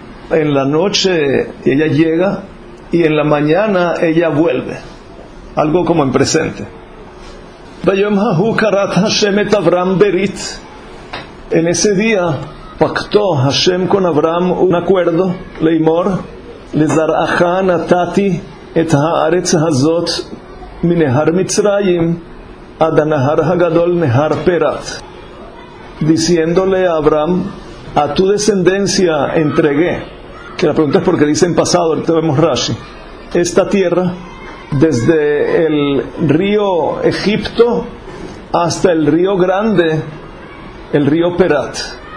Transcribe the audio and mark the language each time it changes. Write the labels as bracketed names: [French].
[Spanish] En la noche ella llega y en la mañana ella vuelve. Algo como en presente. [Hebrew] Bayom hahu karat Hashem et Avram berit. [Spanish] En ese día pactó Hashem con Avram un acuerdo. [Hebrew] Leimor lezaracha natati את הארץ הזאת מנהר מצרים עד הנהר הגדול נהר פרת. [Spanish] Diciéndole a Abraham, a tu descendencia entregué, que la pregunta es porque dice en pasado, ahorita vemos Rashi, esta tierra desde el río Egipto hasta el río grande, el río Perat.